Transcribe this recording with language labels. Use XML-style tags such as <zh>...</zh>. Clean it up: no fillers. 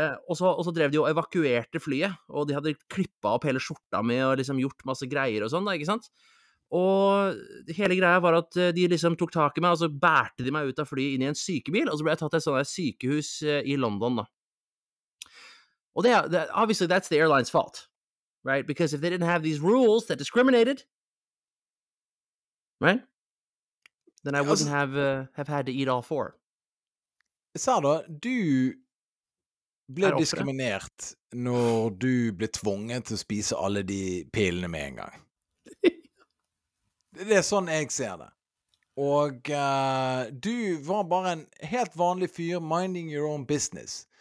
<no>Og så drev de og evakuerte flyet, og de hadde klippet opp hele skjorta mi, og liksom gjort masse greier og sånn da, ikke sant? Og hele greia var at de liksom tok tak i meg, og så bærte de meg ut av flyet inn i en sykebil, og så ble jeg tatt til et sånt sykehus i London da. Og det,</no> <en>obviously that's the airline's fault, right? Because if they didn't have these rules that discriminated, right? Then I wouldn't have had to eat all 4.</en> <no>Sa da, du ble diskriminert når du ble tvunget til å spise alle de pillene med en gang. Det sånn jeg ser det. Og du var bare en helt vanlig fyr,</no> <en>minding your own business.</en>